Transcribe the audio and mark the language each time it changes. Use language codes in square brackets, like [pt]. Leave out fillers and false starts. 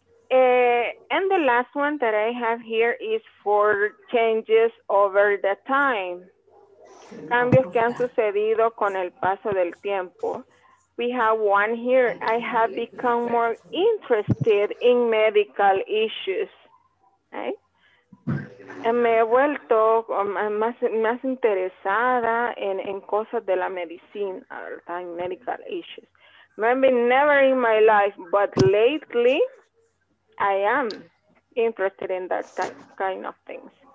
[en] And the last one that I have here is for changes over the time. [es] Cambios que han sucedido con el paso del tiempo. [en] We have one here. I have become more interested in medical issues. Right? [es] Me he vuelto más interesada en cosas de la medicina, en medical issues. [en] Maybe never in my life, but lately... I am interested in that kind of things.